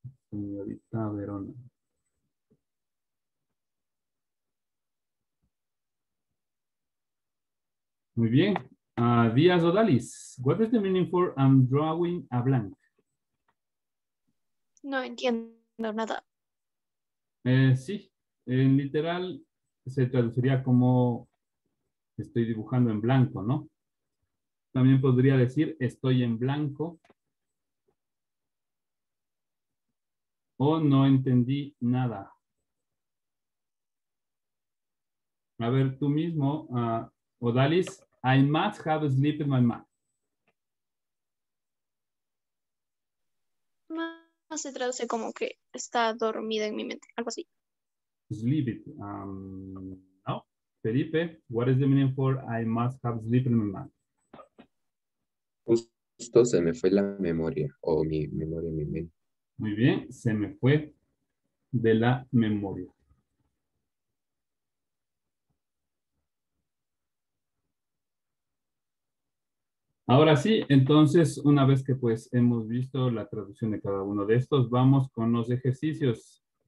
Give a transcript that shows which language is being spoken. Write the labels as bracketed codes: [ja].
[es] Señorita Verona. Muy bien. [en] Díaz Odalis, what is the meaning for I'm drawing a blank? [es] No entiendo nada. Sí, en literal se traduciría como estoy dibujando en blanco, ¿no? También podría decir estoy en blanco o no entendí nada. A ver, tú mismo, [en] Odalis. I must have sleep in my mind. [es] No, no se traduce como que está dormida en mi mente, algo así. [en] Sleep it. No. Felipe, what is the meaning for I must have sleep in my mind? [es] Justo se me fue la memoria, mi memoria en mi mente. Muy bien, se me fue de la memoria. Ahora sí, entonces, una vez que pues hemos visto la traducción de cada uno de estos, vamos con los ejercicios.